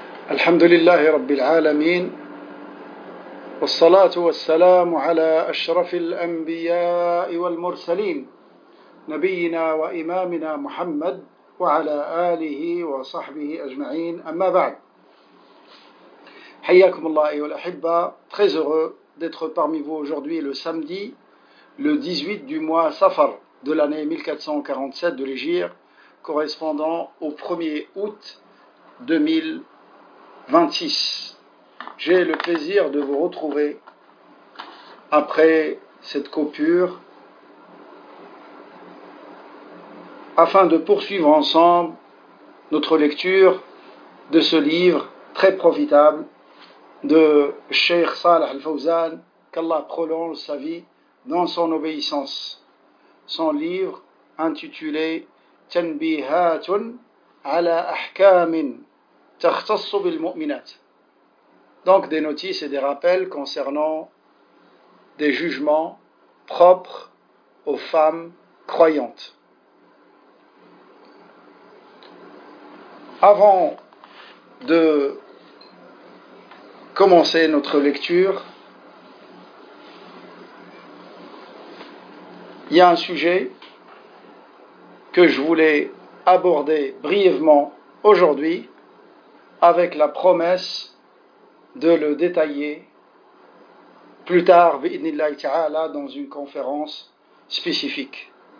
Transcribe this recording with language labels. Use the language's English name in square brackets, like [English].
[Arabic] الحمد لله رب العالمين، والصلاة والسلام على أشرف الأنبياء والمرسلين نبينا وإمامنا محمد وعلى آله وصحبه أجمعين، أما بعد، حياكم الله أيها الأحبة. [French] très heureux d'être parmi vous aujourd'hui le samedi le 18 du mois Safar de l'année 1447 de l'Hégire, correspondant au 1er août 2026. J'ai le plaisir de vous retrouver après cette coupure afin de poursuivre ensemble notre lecture de ce livre très profitable de Cheikh Saleh Al-Fawzan, qu'Allah prolonge sa vie dans son obéissance. Son livre intitulé [Arabic] تنبيهات على أحكام تختص بالمؤمنات. [French] Donc des notices et des rappels concernant des jugements propres aux femmes croyantes. Avant de commencer notre lecture, il y a un sujet que je voulais aborder brièvement aujourd'hui, avec la promesse de le détailler plus tard, [Arabic] bi'idhnillahi ta'ala, [French] dans une conférence spécifique.